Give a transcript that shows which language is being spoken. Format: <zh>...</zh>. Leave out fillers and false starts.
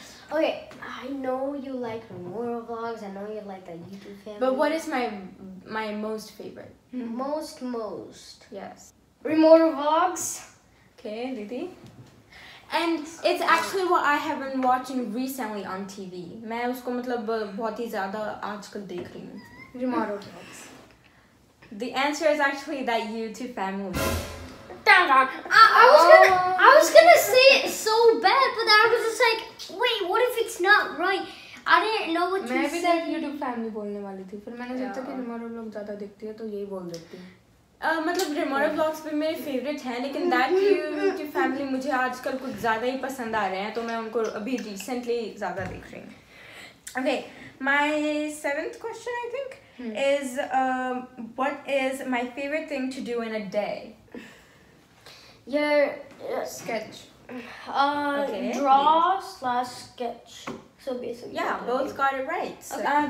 <en>Okay, I know you like Remora Vlogs, I know you like That YouTube Family. But what is my most favorite? Mm-hmm. Most. Yes. Remora Vlogs. Okay, Didi. And it's actually what I have been watching recently on TV.</en> <hi>मैं उसको मतलब बहुत ही ज़्यादा आजकल देख रही हूँ.</hi> <en>Remora Vlogs. The answer is actually That YouTube Family. I was gonna say it so bad, but then I was just like, wait, what if it's not right? I didn't know what to say.</en> <hi>मैं भी That YouTube Family बोलने वाली थी, फिर मैंने सोचा कि Remora Vlogs ज़्यादा देखती है, तो यही बोल देती हूँ. मतलब Remora Vlogs भी मेरे फेवरेट हैं, लेकिन That YouTube Family मुझे आजकल कुछ ज़्यादा ही पसंद आ रहे हैं, तो मैं उनको अभी रिसेंटली ज़्यादा देख रही हूँ.</hi> <en>Okay, my seventh question I think is what is my favorite thing to do in a day? Your sketch. Draw / sketch. So basically. Yeah, both got it right. So, okay.</en>